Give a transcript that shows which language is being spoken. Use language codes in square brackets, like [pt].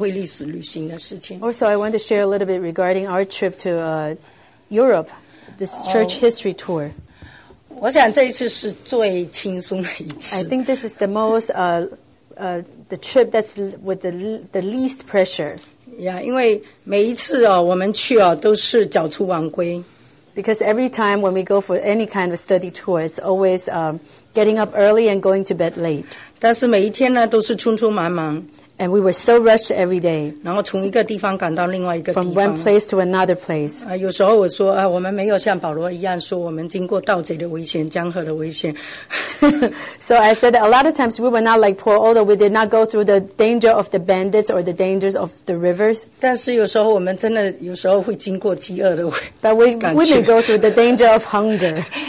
[zh] 那接着我想跟大家分享一点这一次我们去教会历史旅行的事情。 [en] Also, I want to share a little bit regarding our trip to Europe. This church history tour. [zh] 我想这一次是最轻松的一次。 [en] I think this is the most the trip that's with the least pressure. [zh] Yeah, 因为每一次我们去都是脚出晚归。 [en] Because every time when we go for any kind of study tour, it's always getting up early and going to bed late. [zh] 但是每一天呢都是匆匆忙忙。 [en] And we were so rushed every day. [zh] 然后从一个地方赶到另外一个地方。 [en] From one place to another place. [zh] 有时候我说，我们没有像保罗一样说，我们经过盗贼的危险、江河的危险。 [en] So I said that a lot of times we were not like Paul, although we did not go through the danger of the bandits or the dangers of the rivers. [zh] 但是有时候我们真的有时候会经过饥饿的危险。 [en] But we may go through the danger of hunger.